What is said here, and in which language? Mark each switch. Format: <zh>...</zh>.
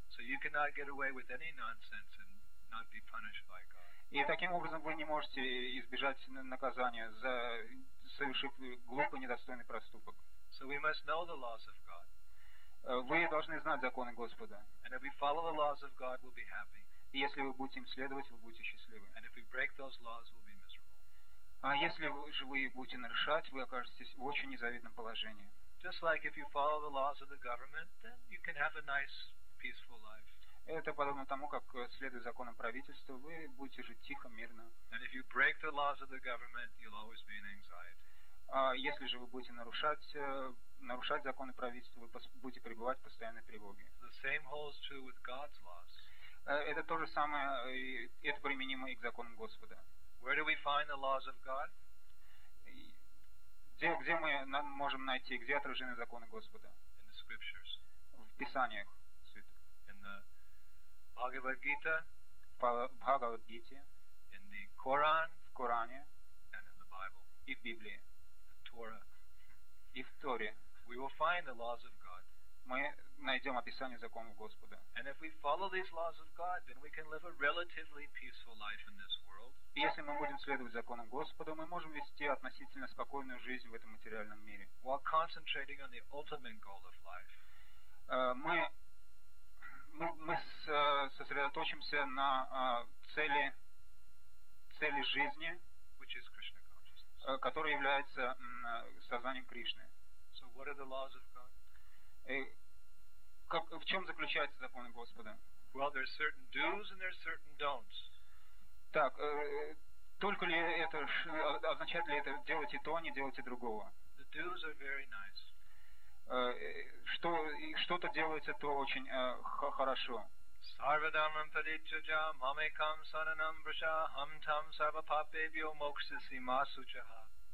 <en>So you cannot get away with any nonsense and not be punished by God.</en> <ru>И таким образом вы не можете избежать наказания за совершив глупый недостойный проступок.</ru> <en>So we must know the laws of God.</en> <ru>Вы должны знать законы Господа.</ru> <en>And if we follow the laws of God, we'll be happy.</en> <ru>И если вы будете им следовать, вы будете счастливы.</ru> <en>And if we break those laws, we'll be miserable.</en> <ru>А если же вы их будете нарушать, вы окажетесь в очень незавидном положении.</ru> <en>Just like if you follow the laws of the government, then you can have a nice, peaceful life.</en> <ru>Это подобно тому, как следуя законам правительства, вы будете жить тихо, мирно.</ru> <en>And if you break the laws of the government, you'll always be in anxiety.</en> <ru>Если же вы будете нарушать законы правительства, вы будете пребывать в постоянной тревоге.</ru> <en>The same holds true with God's laws.</en> <ru>Это то же самое, это применимо и к законам Господа.</ru> <en>Where do we find the laws of God?</en> <ru>Где мы можем найти, где отражены законы Господа?</ru> <en>In the scriptures.</en> <ru>В Писаниях святых.</ru> <en>In the Bhagavad Gita,</en> <ru>Bhagavad Gita,</ru> <en>in the Quran,</en> <ru>в Коране,</ru> <en>and in the Bible,</en> <ru>и в Библии,</ru> <en>the Torah,</en> <ru>и в Торе,</ru> <en>we will find the laws of God.</en> <ru>Мы найдем описание законов Господа.</ru> <en>And if we follow these laws of God, then we can live a relatively peaceful life in this world.</en> <ru>И если мы будем следовать законам Господа, мы можем вести относительно спокойную жизнь в этом материальном мире.</ru> <en>While concentrating on the ultimate goal of life,</en> <ru>мы сосредоточимся на цели жизни,</ru> <en>which is Krishna consciousness,</en> <ru>которая является сознанием Кришны.</ru> <en>So what are the laws of God?</en> <ru>В чем заключаются законы Господа?</ru> <en>Well, there are certain do's and there are certain don'ts.</en> <ru>Так, только ли это означает ли это делать и то, не делать и другого?</ru> <en>The do's are very nice.</en> <ru>Что-то делается, то очень хорошо.</ru> <sa>Sarvadharmam paricchaya mamekam saranam vrsha ham tam sarvapapebhyo mokshasima suchaha.</sa>